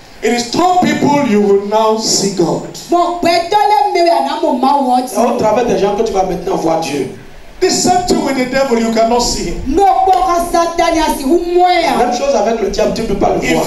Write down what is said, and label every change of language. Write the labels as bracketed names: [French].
[English] It is through people you will now see God. [French] C'est au travers des gens que tu vas maintenant voir Dieu. [English] The same thing with the devil, you cannot see him. [French] Même chose avec le diable, tu ne peux pas le voir.